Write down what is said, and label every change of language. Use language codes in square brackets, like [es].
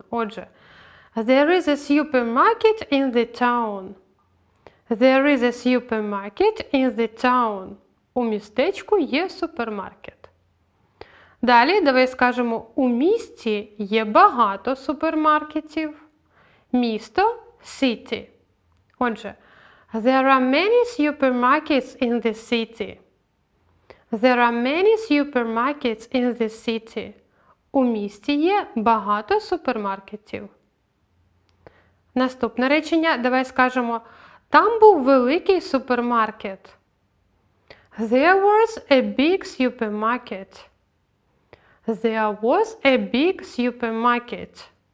[uk] Отже, [en] there is a supermarket in the town. There is a supermarket in the town. [uk] У містечку є супермаркет. Далі давай скажемо, у місті є багато супермаркетів. Місто – city. Отже, [en] there are many supermarkets in the city. There are many supermarkets in the city. [uk] У місті є багато супермаркетів. Наступне речення давай скажемо, там був великий супермаркет. [en] There was a big supermarket. There was a big supermarket.